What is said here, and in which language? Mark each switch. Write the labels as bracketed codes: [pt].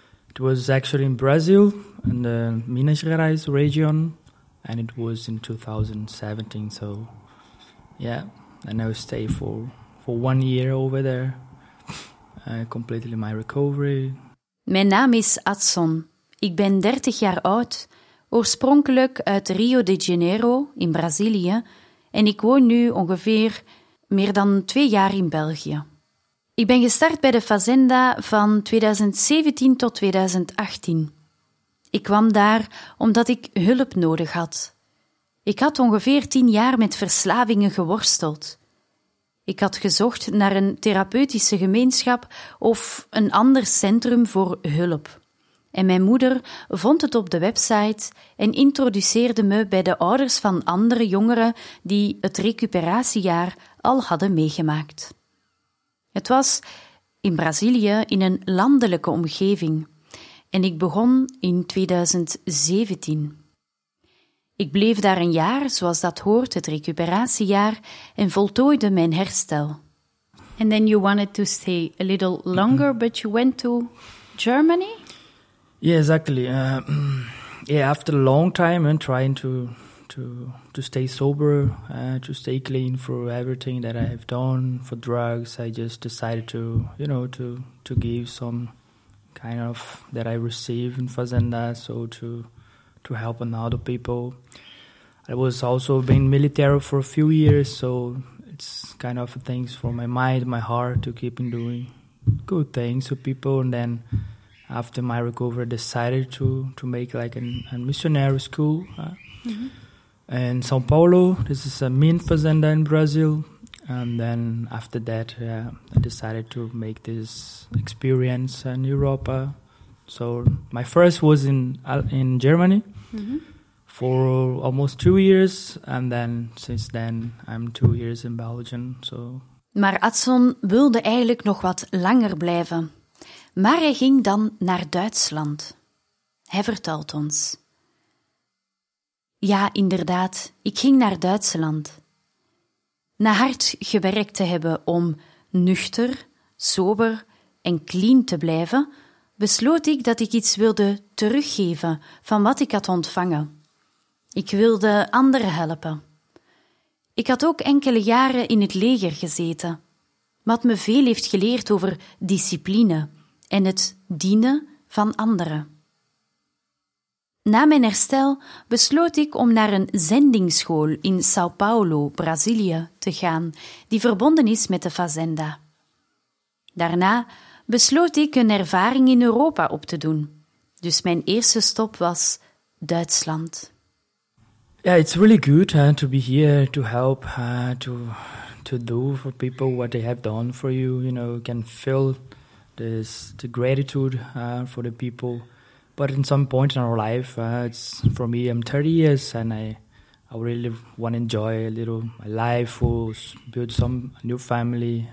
[en] It was actually in Brazil, in the Minas Gerais region, and it was in 2017, so yeah, and I now stay for 1 year over there, completely my recovery. [nl] Mijn naam is Adson. Ik ben 30 jaar oud, oorspronkelijk uit Rio de Janeiro in Brazilië, en ik woon nu ongeveer meer dan 2 jaar in België. Ik ben gestart bij de Fazenda van 2017 tot 2018. Ik kwam daar omdat ik hulp nodig had. Ik had ongeveer 10 jaar met verslavingen geworsteld. Ik had gezocht naar een therapeutische gemeenschap of een ander centrum voor hulp. En mijn moeder vond het op de website en introduceerde me bij de ouders van andere jongeren die het recuperatiejaar al hadden meegemaakt. Het was in Brazilië in een landelijke omgeving en ik begon in 2017. Ik bleef daar een jaar, zoals dat hoort, het recuperatiejaar, en voltooide mijn herstel. [en] And then you wanted to stay a little longer, mm-hmm. but you went to Germany? Yeah, exactly. After a long time and trying to stay sober, to stay clean for everything that I have done for drugs, I just decided to, you know, to give some kind of that I received in Fazenda, so to help other people. I was also been military for a few years, so it's kind of things for my mind, my heart, to keep in doing good things to people. And then after my recovery, I decided to make like a missionary school. In São Paulo, this is a mean fazenda in Brazil. And then after that, I decided to make this experience in Europa. So my first was in Germany mm-hmm. for almost 2 years. And then since then, I'm 2 years in Belgium. So. [nl] Maar Adson wilde eigenlijk nog wat langer blijven. Maar hij ging dan naar Duitsland. Hij vertelt ons. Ja, inderdaad, ik ging naar Duitsland. Na hard gewerkt te hebben om nuchter, sober en clean te blijven, besloot ik dat ik iets wilde teruggeven van wat ik had ontvangen. Ik wilde anderen helpen. Ik had ook enkele jaren in het leger gezeten, wat me veel heeft geleerd over discipline en het dienen van anderen. Na mijn herstel besloot ik om naar een zendingsschool in São Paulo, Brazilië, te gaan, die verbonden is met de Fazenda. Daarna besloot ik een ervaring in Europa op te doen. Dus mijn eerste stop was Duitsland. [en] Ja, yeah, it's really good to be here to help, to do for people what they have done for you. You know, you can feel this the gratitude for the people. But in some point in our life, it's for me, I'm 30 years and I really want to enjoy a little my life, build some new family.